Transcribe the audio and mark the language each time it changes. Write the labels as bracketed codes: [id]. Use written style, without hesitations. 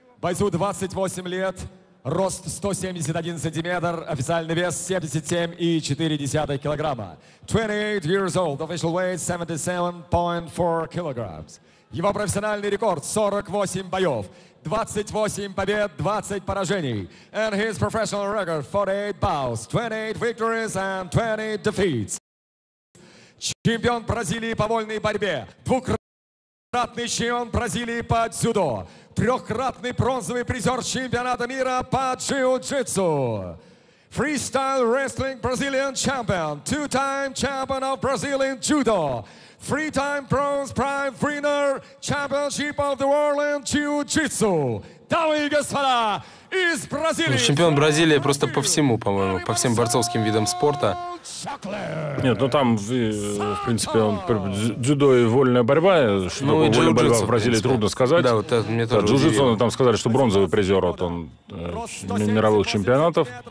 [ru] Бойцу 28 лет, рост 171 сантиметр, официальный вес 77,4 килограмма. [en] 28 years old, official weight 77.4 kilograms. [ru] Его профессиональный рекорд 48 боев, 28 побед, 20 поражений. [en] And his professional record 48 bouts, 28 victories and 20 defeats. [ru] Чемпион Бразилии по вольной борьбе, двукратный чемпион Бразилии по дзюдо, трехкратный бронзовый призер чемпионата мира по джиу-джитсу. [en] Freestyle wrestling Brazilian champion, two-time champion of Brazilian judo, three-time bronze prize winner, championship of the world in jiu-jitsu. [ru] Дамы и господа, из Бразилии. Ну, чемпион Бразилии просто по всему, по-моему, по всем борцовским видам спорта. Нет, ну там, в принципе, он, дзюдо и вольная борьба, что ну, вольная борьба в Бразилии, принципе, трудно сказать. Да, вот это мне тоже. Да, джиу-джитсу там сказали, что бронзовый призер, вот он, мировых чемпионатов.